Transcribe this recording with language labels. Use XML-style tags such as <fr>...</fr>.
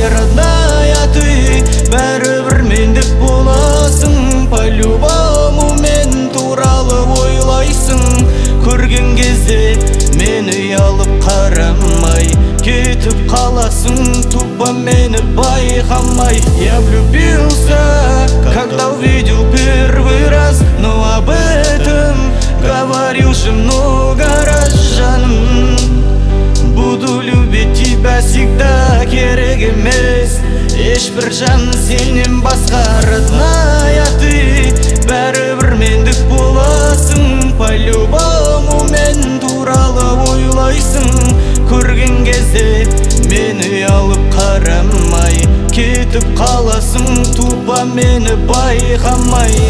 <ru>Родная ты,</ru> <kk>бәрібір мендік боласың,</kk> <ru>по-любому</ru> <kk>мен туралы ойлайсың, көрген кезде мені ұялып қарамай, кетіп қаласың, тупа мені байқамай.</kk> <ru>Я влюбился, когда увидел первый раз, но об этом говорил же много раз.</ru> <kk>Жаным,</kk> <ru>буду любить тебя всегда,</ru> <kk>керек емес ешбір жан сенен басқа.</kk> <ru>Родная ты,</ru> <kk>бәрібір мендік боласың,</kk> <ru>по-любому</ru> <kk>мен туралы ойлайсың, көрген кезде мені ұялып қарамай, кетіп қаласың, тупа мені байқамай.</kk>